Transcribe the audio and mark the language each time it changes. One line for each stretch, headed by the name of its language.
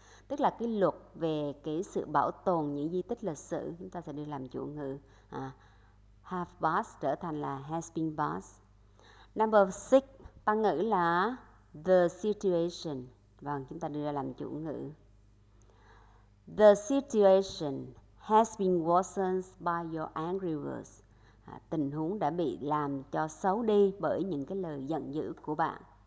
Vietnamese: Tức là cái luật về cái sự bảo tồn những di tích lịch sử. Chúng ta sẽ đưa làm chủ ngữ. Have passed trở thành là has been passed. Number 6, tăng ngữ là the situation. Vâng, chúng ta đưa ra làm chủ ngữ.
English: The situation has been worsened by your angry words.
Vietnamese: Tình huống đã bị làm cho xấu đi bởi những cái lời giận dữ của bạn.